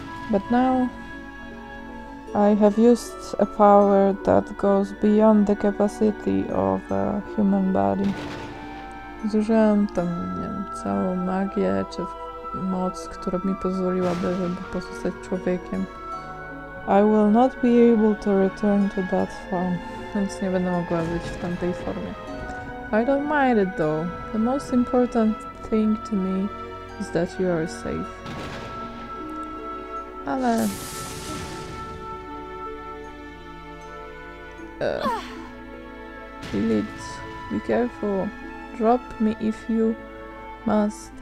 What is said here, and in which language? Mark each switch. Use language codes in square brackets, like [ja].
[en] But now I have used a power that goes beyond the capacity of a human body. [pl] Zużyłam tam, nie wiem, całą magię czy moc, która mi pozwoliłaby, żeby pozostać człowiekiem. [en] I will not be able to return to that form. [pl] Więc nie będę mogła być w tamtej formie. [en] I don't mind it though. The most important thing to me is that you are safe. [pl] Ale... [en] Lilith, be careful. Drop me if you must.